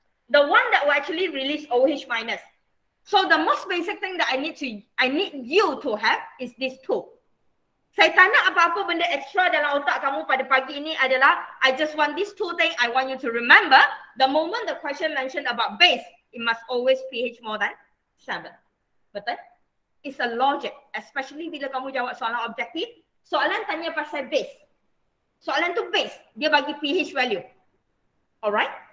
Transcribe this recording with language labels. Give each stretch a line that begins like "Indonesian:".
English: The one that will actually release OH minus. So the most basic thing that I need you to have is this tool.
Malay: Saya tak nak apa-apa benda extra dalam otak kamu pada pagi ini adalah
English: I just want these two things. I want you to remember the moment the question mentioned about base, it must always pH more than 7.
Malay: Betul?
English: It's a logic, especially
Malay: bila kamu jawab soalan objektif. Soalan tanya pasal base. Soalan tu base, dia bagi pH value. Alright?